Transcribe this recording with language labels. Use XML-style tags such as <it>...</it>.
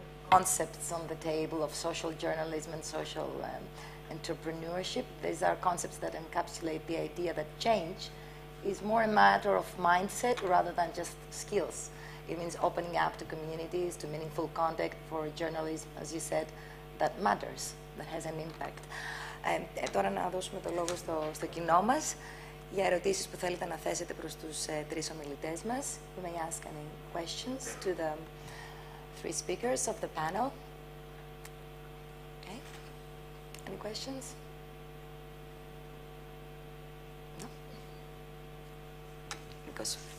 <en>Concepts on the table of social journalism and social entrepreneurship. These are concepts that encapsulate the idea that change is more a matter of mindset rather than just skills. It means opening up to communities, to meaningful contact for journalism, as you said, that matters, that has an impact.</en> <el>Τώρα να δώσουμε το λόγο στο κοινό μας για ερωτήσεις που θέλετε να θέσετε προς τους τρεις ομιλητές μας.</el> <en>We may ask any questions to the three speakers of the panel. Okay. Any questions? No? Nikos.</en>